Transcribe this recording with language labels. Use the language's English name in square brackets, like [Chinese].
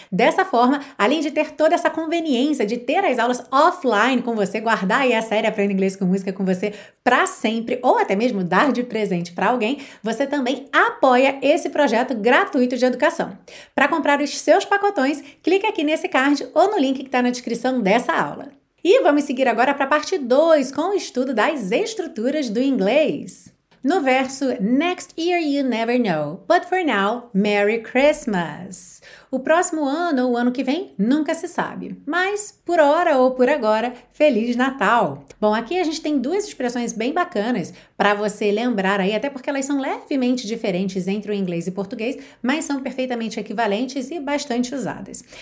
[Portuguese] Dessa forma, além de ter toda essa conveniência de ter as aulas offline com você, guardar aí a série Aprenda Inglês com Música com você para sempre, ou até mesmo dar de presente para alguém, você também apoia esse projeto gratuito de educação. Para comprar os seus pacotões, clique aqui nesse card ou no link que está na descrição dessa aula. E vamos seguir agora para a parte 2, com o estudo das estruturas do inglês. No verso [English] Next year you never know, but for now, Merry Christmas. [Portuguese] O próximo ano ou o ano que vem, nunca se sabe. Mas, por hora ou por agora, Feliz Natal! Bom, aqui a gente tem duas expressões bem bacanas para você lembrar aí, até porque elas são levemente diferentes entre o inglês e o português, mas são perfeitamente equivalentes e bastante usadas.